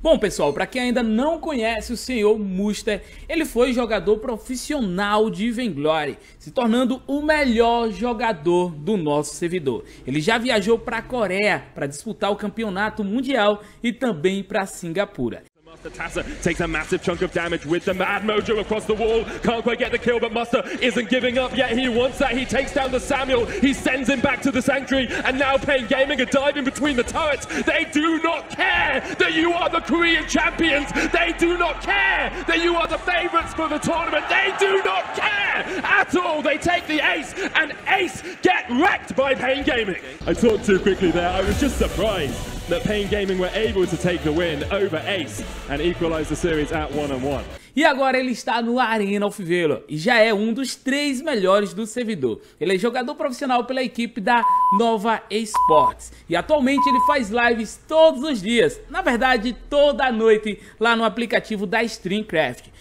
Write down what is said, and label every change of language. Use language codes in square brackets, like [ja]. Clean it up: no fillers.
[pt] Bom, pessoal, pra quem ainda não conhece o Senhor Muster, ele foi jogador profissional de Vainglory, se tornando o melhor jogador do nosso servidor. Ele já viajou pra Coreia pra disputar o campeonato mundial e também pra Singapura. [en] Tassa takes a massive chunk of damage with the Mad Mojo across the wall. Can't quite get the kill, but Muster isn't giving up yet. He wants that. He takes down the Samuel. He sends him back to the Sanctuary. And now Pain Gaming are diving between the turrets. They do not care that you are the Korean champions. They do not care that you are the favorites for the tournament. They do not care at all. They take the Ace, and Ace get wrecked by Pain Gaming. I talked too quickly there. I was just surprised that Pain Gaming were able to take the win over Ace and equalize the series at 1-1. [pt] E agora ele está no Arena of Valor e já é um dos três melhores do servidor. Ele é jogador profissional pela equipe da Nova Esports. E atualmente ele faz lives todos os dias, na verdade toda noite, lá no aplicativo da StreamCraft.